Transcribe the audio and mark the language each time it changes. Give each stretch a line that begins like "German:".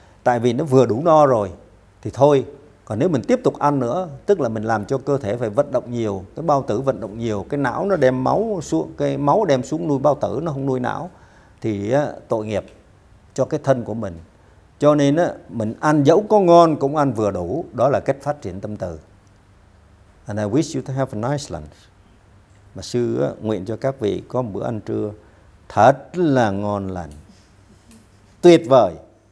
Vietnamese: Tại vì nó vừa đủ no rồi thì thôi. Còn nếu mình tiếp tục ăn nữa, tức là mình làm cho cơ thể phải vận động nhiều, cái bao tử vận động nhiều, cái não nó đem máu xuống, cái máu đem xuống nuôi bao tử, nó không nuôi não, thì tội nghiệp cho cái thân của mình. Cho nên mình ăn dẫu có ngon cũng ăn vừa đủ. Đó là cách phát triển tâm từ.
English: And I wish you to have a nice lunch.
Vietnamese: Mà sư nguyện cho các vị có một bữa ăn trưa thật là ngon lành. Tuyệt vời.